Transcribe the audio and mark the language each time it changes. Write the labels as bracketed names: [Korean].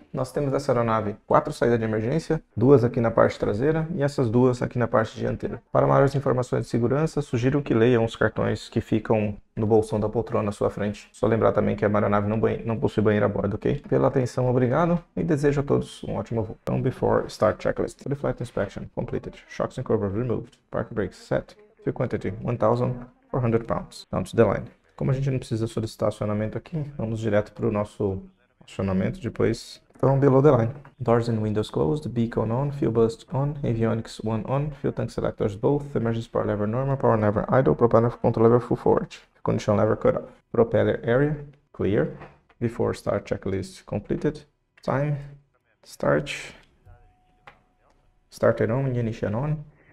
[Portuguese] Nós temos nessa aeronave 4 saídas de emergência, duas aqui na parte traseira e essas duas aqui na parte dianteira. Para maiores informações de segurança, sugiro que leiam os cartões que ficam no bolsão da poltrona à sua frente. Só lembrar também que a aeronave não possui banheiro a bordo, ok? Pela atenção, obrigado e desejo a todos um ótimo voo. Então, [English] before start checklist. Pre-flight inspection completed. Shocks and cover removed. Parking brakes set. Fuel quantity 1.400 pounds. Down to the line. [Portuguese] Como a gente não precisa solicitar acionamento aqui, vamos direto para o nosso acionamento depois. Então, [English] below the line. Doors and windows closed, beacon on, fuel bus on, avionics one on, fuel tank selectors both, emergency power lever normal, power lever idle, propeller control lever full forward, condition lever cut off. Propeller area clear. Before start checklist completed. Time, start. Started on, ignition on.